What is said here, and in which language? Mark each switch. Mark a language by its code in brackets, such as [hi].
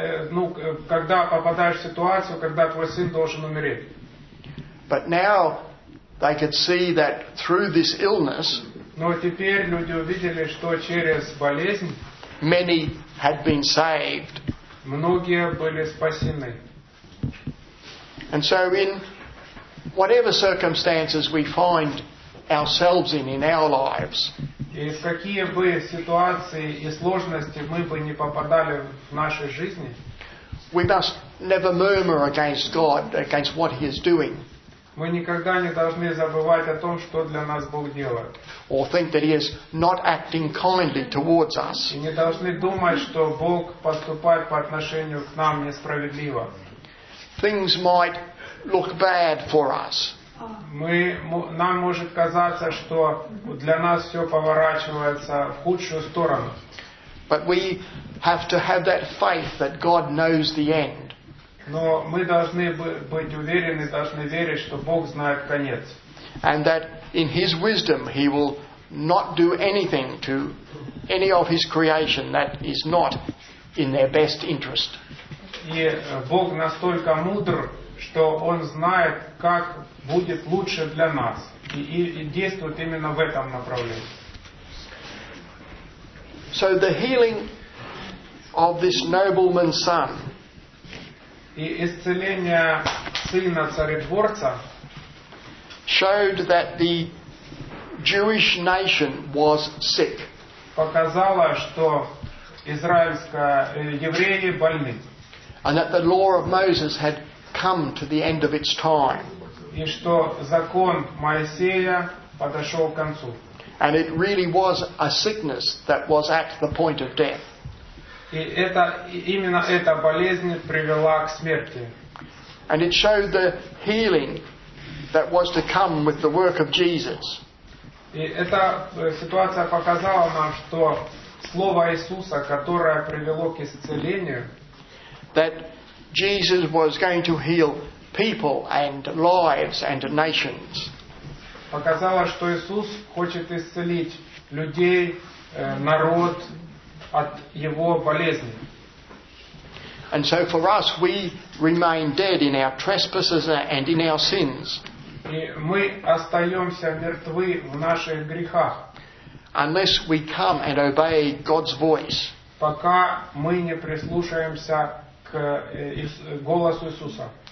[ru] Ну, когда попадаешь в ситуацию, когда твой сын должен умереть. [en] But now they could see that through this illness. [ru] Но теперь люди увидели, что через болезнь. [en] Many had been saved. [ru] Многие были спасены. [en] And so in whatever circumstances we find ourselves in our lives, [ru] и в какие бы ситуации и сложности мы бы не попадали в нашей жизни, [en] we must never murmur against God, against what He is doing. [ru] Мы никогда не должны забывать о том, что для нас Бог делает. [en] Or think that He is not acting kindly towards us. [ru] И не должны думать, что Бог поступает по отношению к нам несправедливо. [en] Things might look bad for us. [ru] Нам может казаться, что для нас все поворачивается в худшую сторону. [en] But we have to have that faith that God knows the end. [ru] Но мы должны быть уверены, должны верить, что Бог знает конец. [en] And that in His wisdom He will not do anything to any of His creation that is not in their best interest. [ru] И Бог настолько мудр, что Он знает, как будет лучше для нас. И действует именно в этом направлении. [en] So the healing of this nobleman's son. [ru] И исцеление сына царедворца [en] showed that the Jewish nation was sick. [ru] Показало, что израильские евреи больны. [en] And that the law of Moses had come to the end of its time. [ru] И что закон Моисея подошел к концу. [en] And it really was a sickness that was at the point of death. [ru] И это, именно эта болезнь привела к смерти. [en] And it showed the healing that was to come with the work of Jesus. [ru] И эта ситуация показала нам, что слово Иисуса, которое привело к исцелению, [en] that Jesus was going to heal people and lives and nations. [ru] Показало, что Иисус хочет исцелить людей, народ от его болезни. [en] And so for us, we remain dead in our trespasses and in our sins. [ru] И мы остаемся мертвы в наших грехах. [en] Unless we come and obey God's voice. [ru] Пока мы не прислушаемся к голосу Иисуса.